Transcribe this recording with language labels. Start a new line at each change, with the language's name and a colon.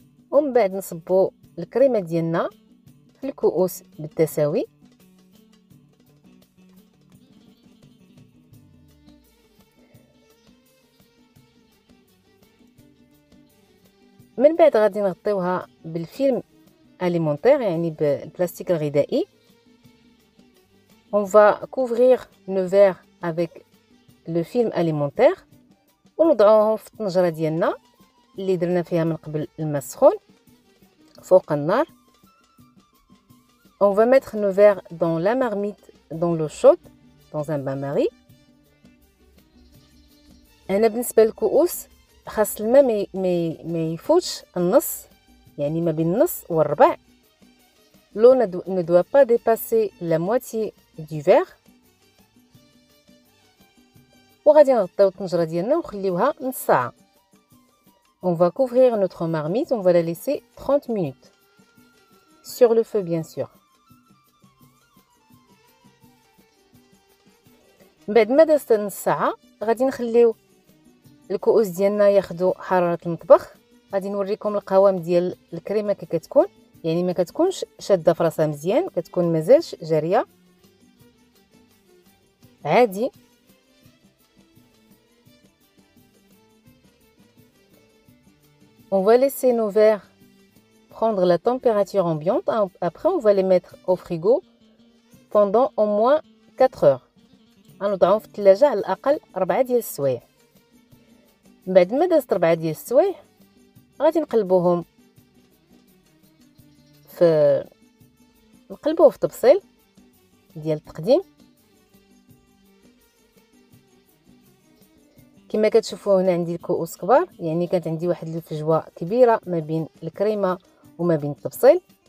Arabic: ومن بعد نصبو الكريمة ديالنا في الكؤوس بالتساوي من بعد غادي نغطيوها بالفيلم اليمونتير يعني بالبلاستيك الغذائي.
French: On va couvrir nos verres avec le film alimentaire.
Arabic: ونضعوهم في الطنجرة ديالنا اللي درنا فيها من قبل الماء السخون فوق النار.
French: On va mettre nos verres dans la marmite dans l'eau chaude dans un bain-marie.
Arabic: أنا بالنسبة للكؤوس خاص الماء ما يفوتش النص يعني ما بين النص والربع.
French: L'eau ne doit pas dépasser la moitié du verre.
Arabic: وغادي نغطيو الطنجرة ديالنا ونخليوها نص ساعة.
French: On va couvrir notre marmite, on va la laisser 30 minutes. Sur le feu bien sûr.
Arabic: بعد ما دازت نص ساعة غادي نخليو الكؤوس ديالنا ياخذوا حرارة المطبخ. غادي نوريكم القوام ديال الكريمة كي كتكون يعني ما كتكونش شادة فراسها مزيان كتكون مازالش جارية عادي.
French: On va laisser nos verres prendre la température ambiante. Après, on va les mettre au frigo pendant au moins 4 heures. On va mettre les verres à 4
Arabic: ديال السوايع. بعد ما دازت 4 ديال السوايع غادي نقلبوهم في طبسيل ديال التقديم. كما كتشوفوا هنا عندي الكؤوس كبار يعني كانت عندي واحد الفجوه كبيره ما بين الكريمه وما بين التبصيل.